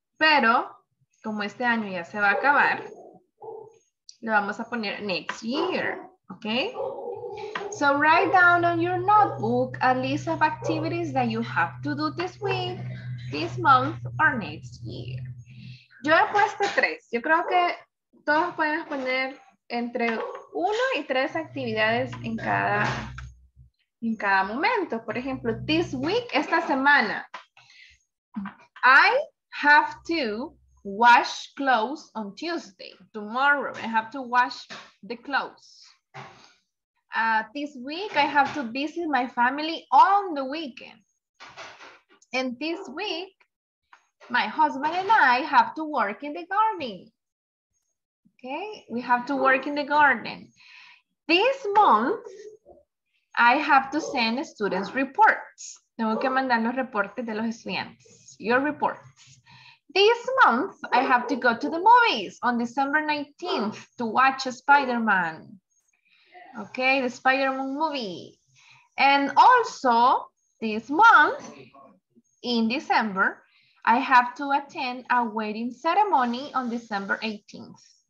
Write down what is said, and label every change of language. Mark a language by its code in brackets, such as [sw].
[es] Pero, como este año ya se va a acabar, le vamos a poner [en] next year, [es] okay? [en] So write down on your notebook a list of activities that you have to do this week, this month, or next year. [es] Yo he puesto tres. Yo creo que todos podemos poner entre uno y tres actividades en cada momento. Por ejemplo, [en] this week, [es] esta semana, [en] I have to wash clothes on Tuesday. Tomorrow, I have to wash the clothes. This week, I have to visit my family on the weekend. And this week, my husband and I have to work in the garden. Okay, we have to work in the garden. This month, I have to send students reports. [es] Tengo que mandar los reportes de los estudiantes. [en] Your reports. This month, I have to go to the movies on December 19th to watch Spider-Man. Okay, the Spider-Man movie. And also, this month, in December, I have to attend a wedding ceremony on December 18th.